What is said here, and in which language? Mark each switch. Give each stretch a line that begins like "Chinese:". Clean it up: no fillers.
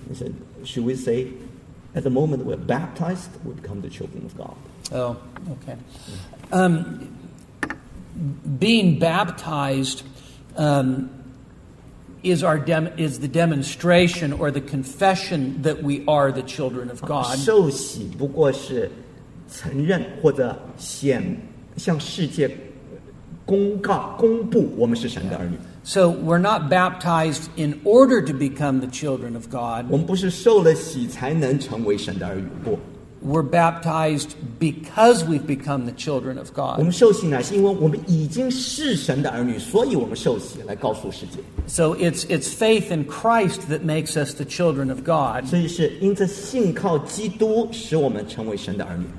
English: You said, should we say, at the moment we're baptized, we become the children of God. Oh, okay. Being baptized is the demonstration or the confession that we are the children of God.
Chinese: 受洗不过是 承认或者显向世界公告公布我们是神的儿女.
English: Yeah. So we're not baptized in order to become the children of God.
Chinese: 我们不是受了洗才能成为神的儿女。不,
English: we're baptized because we've become the children of God.
Chinese: 我们受洗乃是因为我们已经是神的儿女，所以我们受洗来告诉世界.
English: So it's faith in Christ that makes us the children of God.
Chinese: 所以是因着信靠基督使我们成为神的儿女.